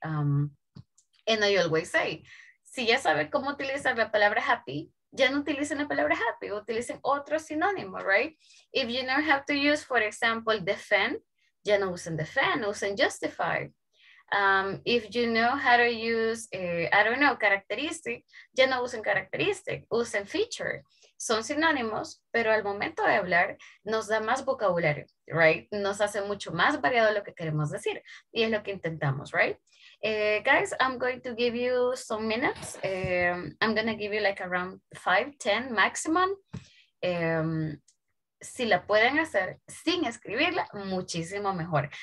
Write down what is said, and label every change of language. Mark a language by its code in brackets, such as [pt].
[en] And I always say, [es] si ya sabe cómo utilizar la palabra happy, ya no utilicen la palabra happy, utilicen otro sinónimo, right? [en] If you know how to use, for example, defend, [es] ya no usen defend, usen justify. [en] If you know how to use, I don't know, characteristic, [es] ya no usen characteristic, usen feature. Son sinónimos, pero al momento de hablar nos da más vocabulario, right? Nos hace mucho más variado lo que queremos decir y es lo que intentamos, right? [en] Guys, I'm going to give you some minutes. I'm going to give you like around 5-10 maximum. [es] Si la pueden hacer sin escribirla, muchísimo mejor.